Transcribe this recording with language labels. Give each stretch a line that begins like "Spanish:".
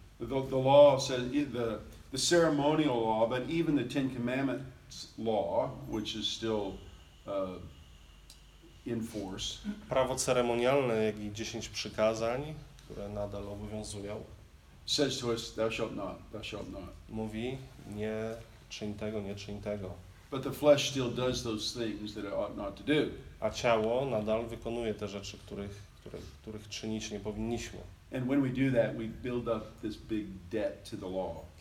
English: The law said the ceremonial law, but even the Ten Commandments law, which is still in force.
Polish: Prawo ceremonialne, jak i 10 przykazań, które nadal obowiązują.
English: Says to us, thou shalt not.
Polish: Mówi, nie czyń tego, nie czyń tego.
English: But the flesh still does those things that it ought not to do.
Polish: A ciało nadal wykonuje te rzeczy, których czynić nie powinniśmy.
English: And when we do that, we build up this big debt to the law.